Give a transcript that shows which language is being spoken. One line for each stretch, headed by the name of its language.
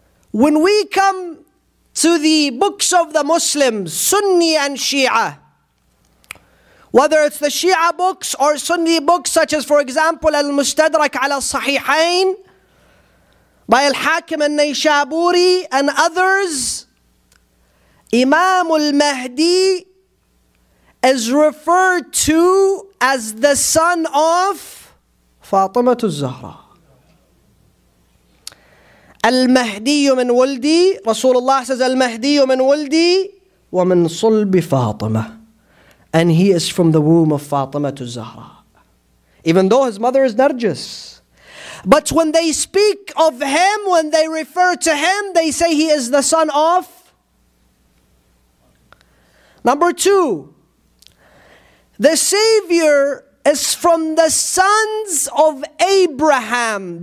English: When we come to the books of the Muslims, Sunni and Shia, whether it's the Shia books or Sunni books, such as, for example, Al-Mustadrak al-Sahihain by Al-Hakim al-Nishaburi and others, Imam al-Mahdi is referred to as the son of Fatima al-Zahra.
Arabic: المهدي من ولدي رسول الله
English: says
Arabic: المهدي من ولدي ومن صلب فاطمة.
English: And he is from the womb of Fatima al-Zahra. Even though his mother is Narjis. But when they speak of him, when they refer to him, they say he is the son of. Number two, the Savior is from the sons of Abraham.